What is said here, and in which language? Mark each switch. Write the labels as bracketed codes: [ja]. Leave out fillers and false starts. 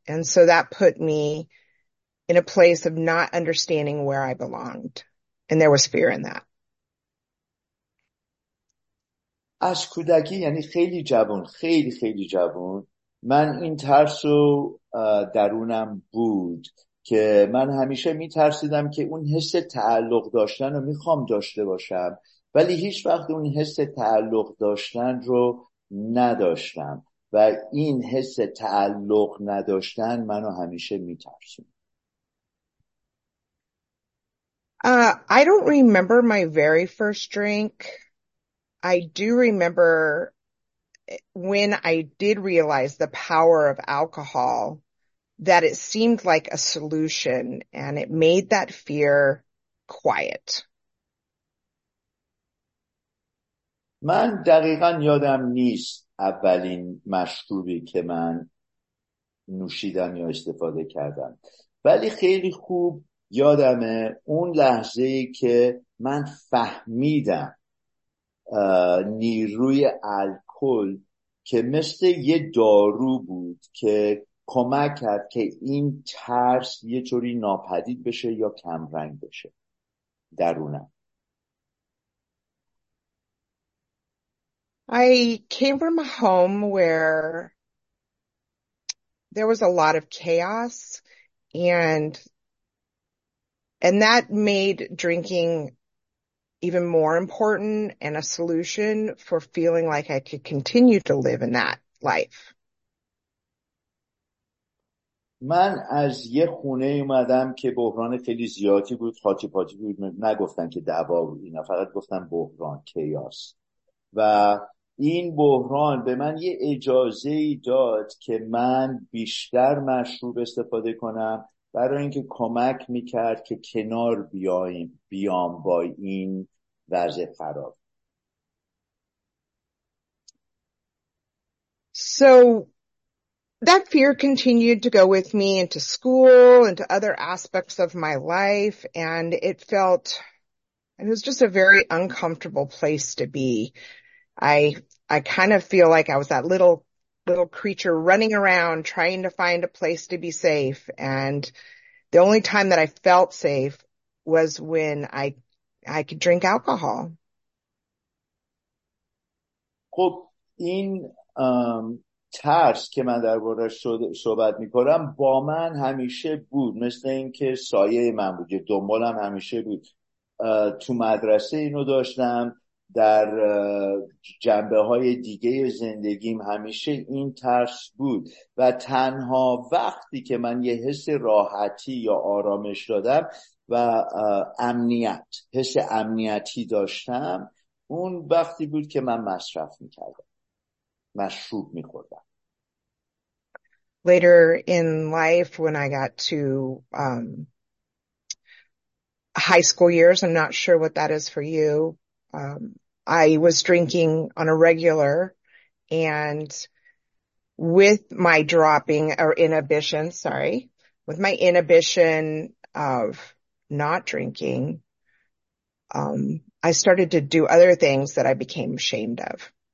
[en] And so that put me in a place of not understanding where I belonged. And there was fear in that. [fa] از کودکی، یعنی خیلی جوان، خیلی خیلی جوان، من این ترس رو درونم بود که من همیشه می ترسیدم که اون حس تعلق داشتن رو می خوام داشته باشم، ولی هیچ وقت اون حس تعلق داشتن رو نداشتم و این حس تعلق نداشتن منو همیشه می ترسید. [en] I don't remember my very first drink. I do remember when I did realize the power of alcohol, that it seemed like a solution and it made that fear quiet. [fa] من دقیقاً یادم نیست اولین مشروبی که من نوشیدم یا استفاده کردم، ولی خیلی خوب یادمه اون لحظه‌ای که من فهمیدم نیروی الکل که مثل یه دارو بود که کمک کرد که این ترس یه جوری ناپدید بشه یا کمرنگ بشه درونم. [en] I came from a home where there was a lot of chaos and that made drinking even more important and a solution for feeling like I could continue to live in that life. [fa] من از یه خونه اومدم که بحران خیلی زیادی بود، خاطی پاتی بود، نگفتن که دعوا بود اینا، فقط گفتن بحران، کیاس. و این بحران به من یه اجازه ای داد که من بیشتر مشروب استفاده کنم، برای اینکه کمک میکرد که کنار بیام با این وضع خراب. [en] So that fear continued to go with me into school and to other aspects of my life. And it was just a very uncomfortable place to be. I kind of feel like I was that little creature running around trying to find a place to be safe. And the only time that I felt safe was when I could drink alcohol. [fa] خب این ترس که من دربارش صحبت می کنم با من همیشه بود، مثل اینکه سایه من بود، دنبالم همیشه بود. تو مدرسه اینو داشتم، در جنبه های دیگه زندگیم همیشه این ترس بود، و تنها وقتی که من یه حس راحتی یا آرامش دادم و امنیت، حس امنیتی داشتم، اون وقتی بود که من مصرف میکردم، مشروب میخوردم. [en] Later in life, when I got to high school years, I'm not sure what that is for you. I was drinking on a regular, and with my dropping or inhibition, sorry, with my inhibition of not drinking, I started to do other things that I became ashamed of.